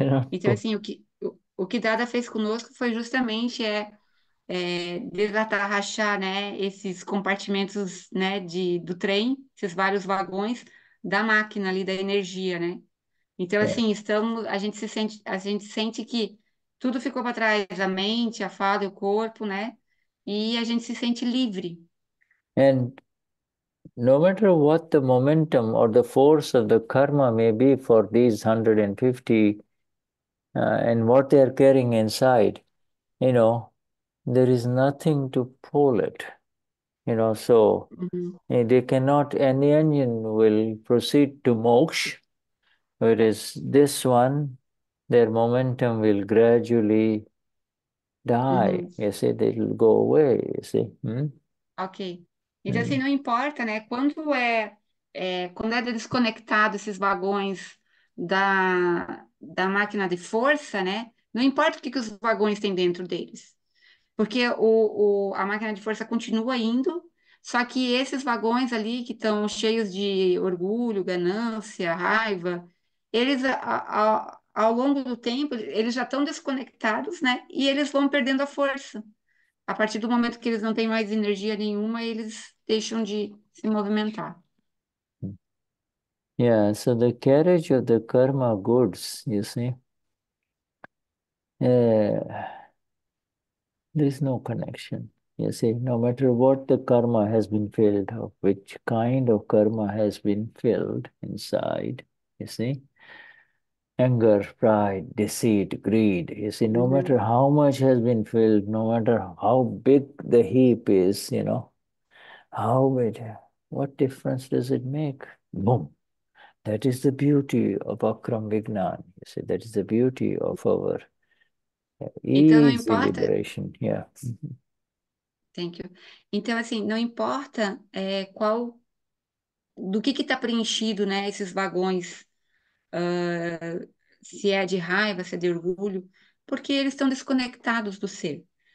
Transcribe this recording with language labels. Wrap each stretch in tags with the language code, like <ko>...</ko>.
<pt>Então, assim, o que Dada fez conosco foi justamente desatarrachar, né, esses compartimentos, né, do trem, esses vários vagões da máquina ali, da energia, né? Então, assim, a gente sente que tudo ficou para trás, a mente, a fala, o corpo, né? E a gente se sente livre.</pt> <en>And no matter what the momentum or the force of the karma may be for these 150 and what they are carrying inside, you know, there is nothing to pull it, you know, so they cannot, and the engine will proceed to moksha, whereas this one, their momentum will gradually die, you see, they will go away, you see.</en> <pt>Ok. Então, assim, não importa, né? Quando é desconectado esses vagões da máquina de força, né? Não importa o que os vagões têm dentro deles. Porque a máquina de força continua indo, só que esses vagões ali que estão cheios de orgulho, ganância, raiva, eles, ao longo do tempo, eles já estão desconectados, né? E eles vão perdendo a força. A partir do momento que eles não têm mais energia nenhuma, eles deixam de se movimentar.</pt> <en>So the carriage of the karma goods, you see, there's no connection. You see, no matter what the karma has been filled of, which kind of karma has been filled inside, you see, anger, pride, deceit, greed, you see, no matter how much has been filled, no matter how big the heap is, you know, what difference does it make? Boom. That is the beauty of Akram Vignan. You see, that is the beauty of our</en> <pt>Então, não</pt> <en>easy</en> <pt>importa.</pt> <en>liberation. Thank you.</en> <pt>Então, assim, não importa do que está preenchido, né, esses vagões, se é de raiva, se é de orgulho, porque eles estão desconectados do ser.</pt>